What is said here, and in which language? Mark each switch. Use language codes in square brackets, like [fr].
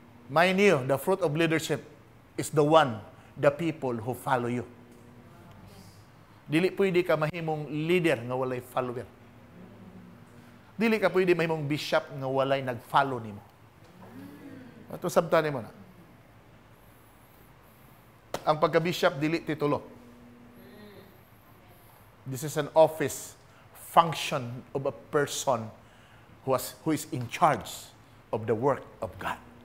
[en] Mind you, the fruit of leadership is the one, the people who follow you. [ceb] Dili pwede ka mahimong leader nga walay follower. Dili ka pwede mahimong bishop nga walay nag-follow ni mo. Ito sabta ni mo na. Ang pagka-bishop, dili titulo. [en] This is an office function of a person who is in charge of the work of God.